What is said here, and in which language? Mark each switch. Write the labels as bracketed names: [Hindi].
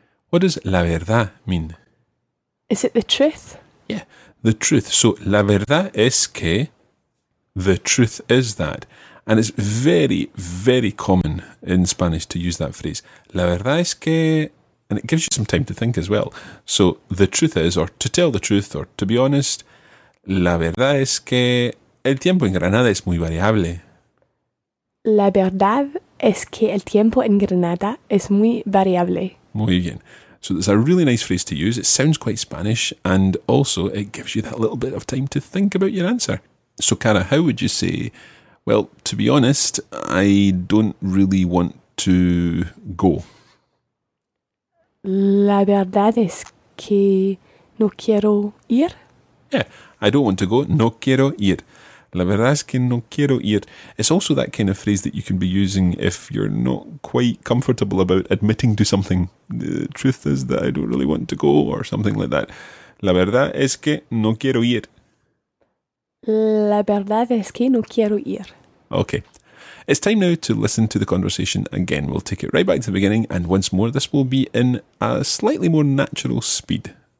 [English] What does [Spanish] la verdad [English] mean? Is it the truth? Yeah, the truth. So [Spanish] la verdad es que, [English] the truth is that. And it's very, very common in Spanish to use that phrase. [Spanish] La verdad es que... [English] And it gives you some time to think as well. So, the truth is, or to tell the truth, or to be honest, [Spanish] la verdad es que el tiempo en Granada es muy variable. La verdad es que el tiempo en Granada es muy variable. Muy bien. [English] So it's a really nice phrase to use. It sounds quite Spanish, and also it gives you that little bit of time to think about your answer. So, Cara, how would you say, well, to be honest, I don't really want to go? [Spanish] La verdad es que no quiero ir. [English] Yeah, I don't want to go. [Spanish] No quiero ir. La verdad es que no quiero ir. [English] It's also that kind of phrase that you can be using if you're not quite comfortable about admitting to something. The truth is that I don't really want to go, or something like that. [Spanish] La verdad es que no quiero ir. La verdad es que no quiero ir. [English] Okay. It's time now to listen to the conversation again. We'll take it right back to the beginning, and once more, this will be in a slightly more natural speed.